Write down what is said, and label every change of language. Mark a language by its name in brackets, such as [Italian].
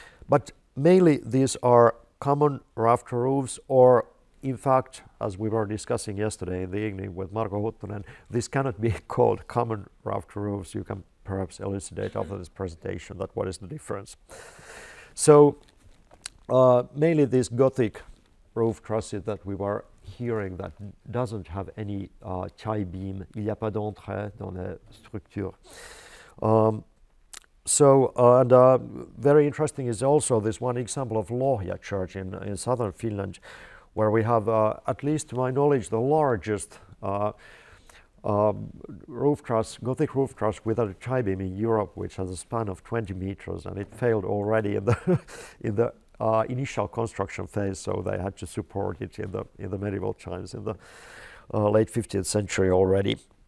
[English] But mainly these are common rafter roofs, or in fact, as we were discussing yesterday in the evening with Marko Huttunen, this cannot be called common rafter roofs. You can perhaps elucidate after this presentation that what is the difference. So mainly these Gothic roof trusses that we were hearing that doesn't have any tie beam. [French] Il n'y a pas d'entrée dans la structure. [English] So very interesting is also this one example of Lohja church in southern Finland, where we have, at least to my knowledge, the largest roof truss, Gothic roof truss without a tie beam in Europe, which has a span of 20 meters, and it failed already in the initial construction phase, so they had to support it in the medieval times, in the late 15th century already.